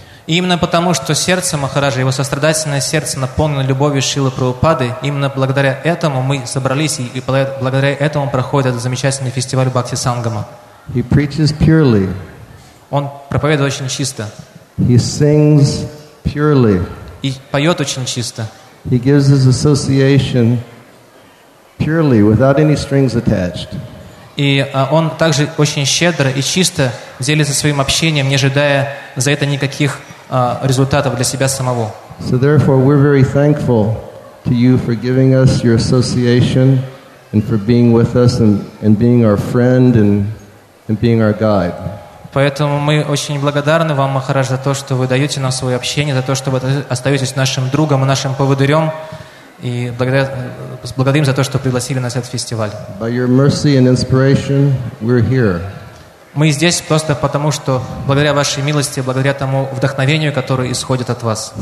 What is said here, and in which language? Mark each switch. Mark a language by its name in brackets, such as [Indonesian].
[Russian] Именно потому, что сердце Махараджа, его сострадательное сердце, наполнено любовью Шрилы Прабхупады, именно благодаря этому мы собрались и благодаря этому проходит этот замечательный фестиваль Бхакти Сангама. [English] He preaches purely. [Russian] Он проповедует очень чисто. [English] He sings purely. [Russian] И поет очень чисто. [English] He gives his association purely, without any strings attached. [Russian] И он также очень щедро и чисто делится своим общением, не ожидая за это никаких результатов для себя самого. [English] So therefore, we're very thankful to you for giving us your association and for being with us and being our friend and being our guide. [Russian] Поэтому мы очень благодарны вам, Махарадж, за то, что вы даете нам свое общение, за то, что вы остаетесь нашим другом и нашим поводырем. И благодарим за то, что пригласили нас на этот фестиваль. [English] By your mercy and inspiration, we're here. [Russian] Мы здесь просто потому, что благодаря вашей милости, благодаря тому вдохновению, которое исходит от вас.